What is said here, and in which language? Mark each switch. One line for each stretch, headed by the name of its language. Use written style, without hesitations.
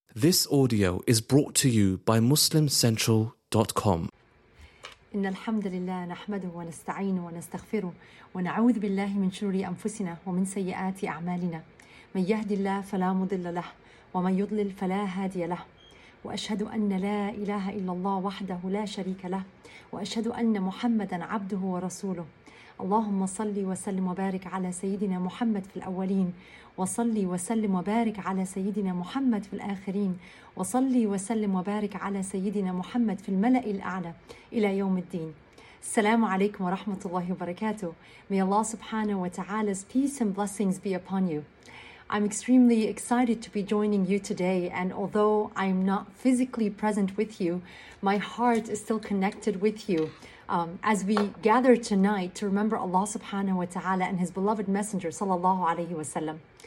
English: This audio is brought to you by MuslimCentral.com.
Arabic: إن الحمد لله نحمده ونستعينه ونستغفره ونعوذ بالله من شرور أنفسنا ومن سيئات أعمالنا. من يهدي الله فلا مضل له ومن يضلل فلا هادي له. وأشهد أن لا إله إلا الله وحده لا شريك له وأشهد أن محمدا عبده ورسوله. اللهم صلي وسلم وبارك على سيدنا محمد في الأولين، وصلي وسلم وبارك على سيدنا محمد في الآخرين، وصلي وسلم وبارك على سيدنا محمد في الملأ الأعلى إلى يوم الدين. السلام عليكم ورحمة الله وبركاته.
English: May Allah subhanahu wa ta'ala's peace and blessings be upon you. I'm extremely excited to be joining you today, and although I'm not physically present with you, my heart is still connected with you. As we gather tonight to remember Allah subhanahu wa ta'ala and His beloved Messenger sallallahu alayhi wa sallam.